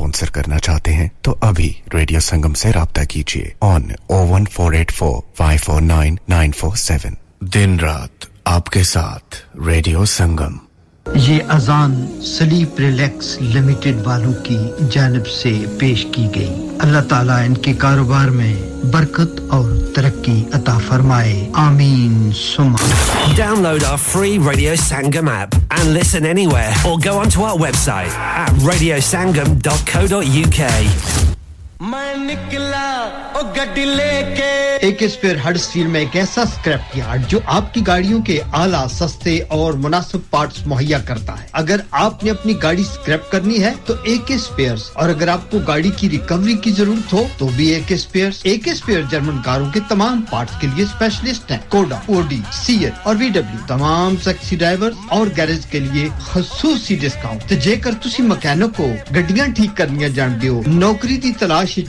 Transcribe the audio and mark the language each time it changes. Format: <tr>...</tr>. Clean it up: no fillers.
<ur>سنگم سے رابطہ کیجئے on 01484549947 دن رات آپ کے ساتھ ریڈیو سنگم یہ اذان سلیپ ریلیکس لمیٹڈ والوں کی جانب سے پیش کی گئی اللہ تعالیٰ ان کے کاروبار میں برکت اور ترقی عطا فرمائے آمین سمع</ur> <en>Download our free Radio Sangam app and listen anywhere or go onto our website at radiosangam.co.uk</en> <pa>میں نکلا او گڈی لے کے</pa> <ur>ایک اسپیئر ہڈسفیل میں ایک ایسا سکریپ یارڈ جو آپ کی گاڑیوں کے اعلیٰ سستے اور مناسب پارٹس مہیا کرتا ہے اگر آپ نے اپنی گاڑی سکریپ کرنی ہے تو ایک اسپیئرز اور اگر آپ کو گاڑی کی ریکوری کی ضرورت ہو تو بھی ایک اسپیئر جرمن کاروں کے تمام پارٹس کے لیے اسپیشلسٹ ہیں کوڈا اوڈی سی ایل اور وی ڈبلو تمام سیکسی ڈرائیورز اور گیرج کے لیے خصوصی ڈسکاؤنٹ</ur> <pa>تو جے کر تسی مکینک کو گڈیاں ٹھیک کرنی جاندے ہو نوکری دی تلاش</pa>